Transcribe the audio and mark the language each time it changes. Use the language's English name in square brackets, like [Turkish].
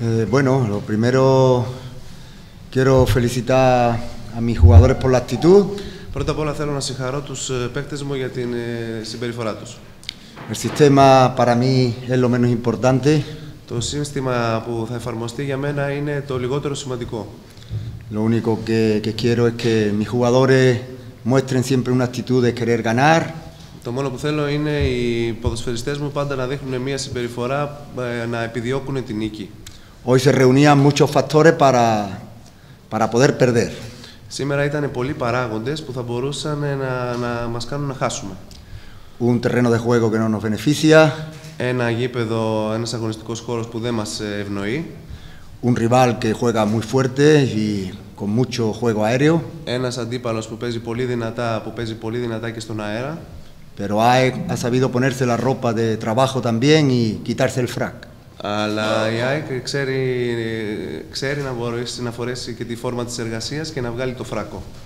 [Spanish] Bueno, lo primero, quiero felicitar a mis jugadores por la actitud. [Greek] Πρώτα απ' όλα θέλω να συγχαρώ τους παίκτες μου για την συμπεριφορά τους. [Spanish] El sistema para mí es lo menos importante. [Greek] Το σύστημα που θα εφαρμοστεί για μένα είναι το λιγότερο σημαντικό. [Spanish] Lo único que quiero es que mis jugadores muestren siempre una actitud de querer ganar. [Greek] Το μόνο που θέλω είναι οι ποδοσφαιριστές μου πάντα να δείχνουν μια συμπεριφορά, να επιδιώκουν την νίκη. [Spanish] Hoy se reunían muchos factores para poder perder. [Greek] Σήμερα ήταν πολλοί παράγοντες που θα μπορούσαν να μας κάνουν να χάσουμε. [Spanish] Un terreno de juego que no nos beneficia. [Greek] Ένα γήπεδο, ένας αγωνιστικός χώρος που δεν μας ευνοεί. [Spanish] Un rival que juega muy fuerte y con mucho juego aéreo. [Greek] Ένας αντίπαλος που παίζει πολύ δυνατά, που παίζει πολύ δυνατά και στον αέρα. [Spanish] Pero ha sabido ponerse la ropa de trabajo también y quitarse el frac. [Greek] Αλλά η ΑΕΚ ξέρει να μπορέσει να φορέσει και τη φόρμα της εργασίας και να βγάλει το φράκο.